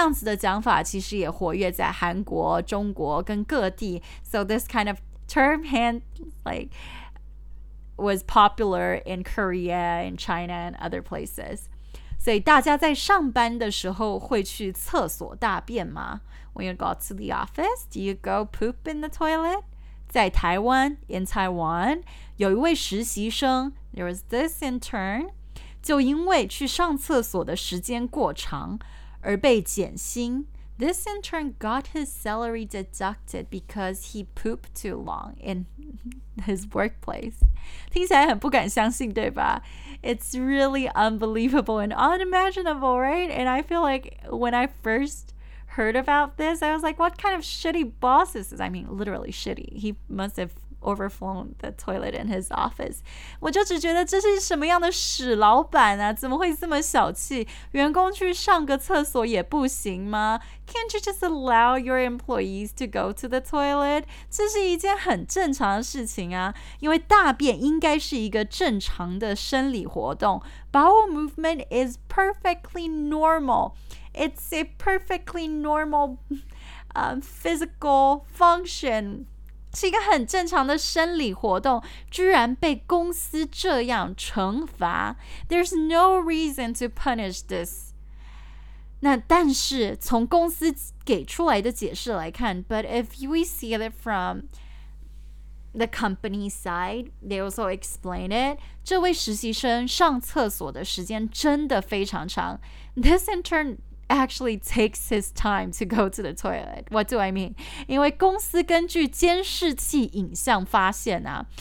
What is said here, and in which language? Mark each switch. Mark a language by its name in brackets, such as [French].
[Chinese] 那这样子的讲法其实也活跃在韩国, 中国跟各地。 [English] So this kind of term hand like was popular in Korea, in China and other places. [Chinese] 所以大家在上班的时候会去厕所大便吗? [English] When you go to the office, do you go poop in the toilet? [Chinese] 在台湾, [English] in Taiwan, [Chinese] 有一位实习生, [English] there was this intern, [Chinese] 就因为去上厕所的时间过长而被减薪。 [English] This in turn got his salary deducted because he pooped too long in his workplace. [Chinese] 听起来很不敢相信，对吧？ [English] It's really unbelievable and unimaginable, right? And I feel like when I first heard about this, I was like, what kind of shitty boss is this? I mean, literally shitty. He must have overflown the toilet in his office. [Chinese] 我就只觉得这是什么样的屎老板啊，怎么会这么小气，员工去上个厕所也不行吗？ [English] Can't you just allow your employees to go to the toilet? [Chinese] 这是一件很正常的事情啊，因为大便应该是一个正常的生理活动。 [English] Bowel movement is perfectly normal. It's a perfectly normal physical function. [Chinese] 是一个很正常的生理活动，居然被公司这样惩罚。 [English] There's no reason to punish this. [Chinese] 那但是从公司给出来的解释来看， [English] But if we see it from the company side, they also explain it. [Chinese] 这位实习生上厕所的时间真的非常长。 [English] This intern... actually takes his time to go to the toilet. What do I mean? [Chinese] 因为公司根据监视器影像发现啊。